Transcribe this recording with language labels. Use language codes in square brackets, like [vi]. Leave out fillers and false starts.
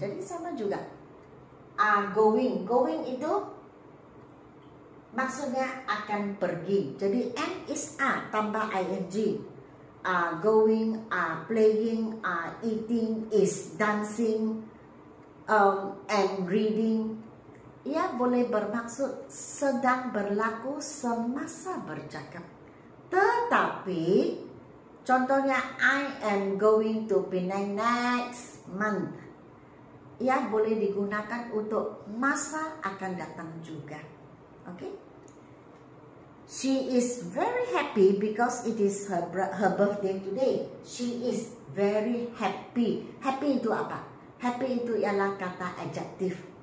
[ms] Jadi sama juga. [en] Are going. [ms] Going itu maksudnya akan pergi. Jadi M is A tambah ing. [en] Are going, are playing, are eating, is dancing, and reading. [ms] Ia boleh bermaksud sedang berlaku semasa bercakap. Tetapi, contohnya [en] I am going to Penang next month. [ms] Ia boleh digunakan untuk masa akan datang juga. Okay? [en] She is very happy because it is her birthday today. She is very happy. Happy [ms] itu apa? Happy itu ialah kata adjektif.